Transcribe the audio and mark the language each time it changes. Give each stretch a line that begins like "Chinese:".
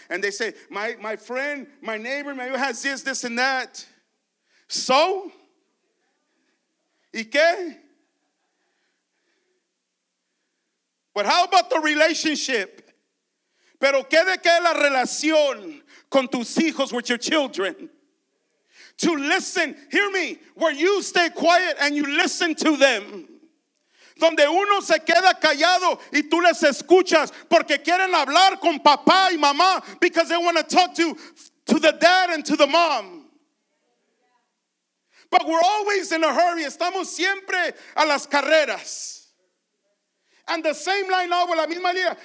English: And they say, my friend, my neighbor, maybe has this, this, and that. So?
Spanish: ¿Y qué?
English: But how about the relationship?
Spanish: ¿Pero qué de qué la relación con tus hijos,
English: with your children? To listen, hear me, where you stay quiet and you listen to them.
Spanish: Donde uno se queda callado y tú les escuchas porque quieren hablar con papá y mamá,
English: because they want to talk to the dad and to the mom. But we're always in a hurry.
Spanish: Estamos siempre a las carreras.
English: And the same line,
Spanish: oh, la misma línea.